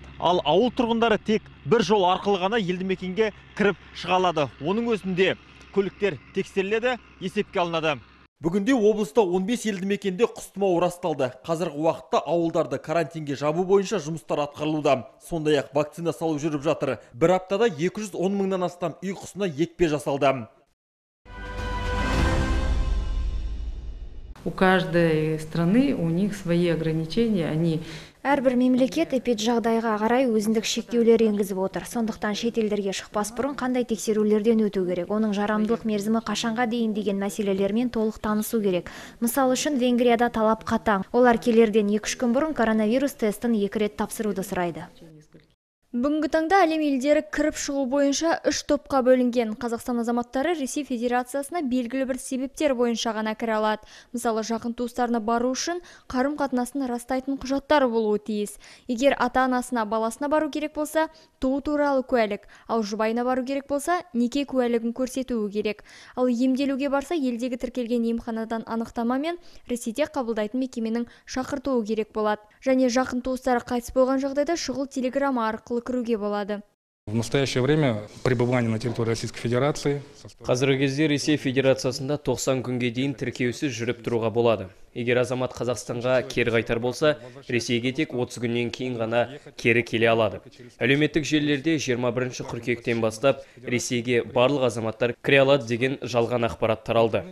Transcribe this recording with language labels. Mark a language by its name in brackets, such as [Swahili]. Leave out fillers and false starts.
[Kazakh] Ал ауыл тұрғындары тек бір жол арқылы ғана елді мекенге кіріп шығалады. Оның өзінде көліктер тексеріледі, есепке алынады. Бүгінде облыста 15 елді мекенде құстымау расталды. Қазіргі уақытта ауылдарды карантинге жабу бойынша жұмыстар атқарылуда. Сонда яқы вакцина салу жүріп жатыр. Бір аптада 210 мыңнан астам үй құсына екпе жасалды. [Russian] У каждой страны у них свои ограничения, они... [Kazakh] Әрбір мемлекет эпиджағдайға қарай өзіндік шектеулер енгізіп отыр. Сондықтан шетелдерге шықпас бұрын қандай тексерулерден өту керек. Оның жарамдылық мерзімі қашанға дейін деген мәселелермен толық танысу керек. Мысал үшін Венгрияда талап қатаң. Олар келерден 2-3 күн бұрын коронавирус тестін 2 рет тапсыруды сұрайды. Бүгінгі таңда әлем елдері кіріп шығу бойынша 3 топқа бөлінген. Қазақстан азаматтары Ресей Федерациясына белгілі бір себептер бойынша ғана кіре алады. Мысалы, жақын туыстарына бару үшін қарым-қатынасын растайтын құжаттар болуы тиіс. Егер ата-анасына баласына бару керек болса, туу туралы куәлік. Ал жұбайына бару керек болса, неке куәлігін көрсетуі керек. Ал емделуге барса, елдегі тіркелген емханадан анықтама мен Ресейде қабылдайтын мекеменің шақыртуы керек болады. Және жақын туыстары қайтыс болған жағдайда шұғыл телеграмма арқылы. [Russian] В настоящее время пребывание на территории Российской Федерации. [Kazakh] Қазіргі кезде Ресей Федерациясында 90 күнге дейін тіркеусіз жүріп тұруға болады. Егер азамат Қазақстанға кері қайтар болса, Ресейге тек 30 күннен кейін ғана кері келе алады. Әлеуметтік желілерде 21 қыркүйектен бастап Ресейге барлық азаматтар кіре алады деген жалған ақпарат таралды.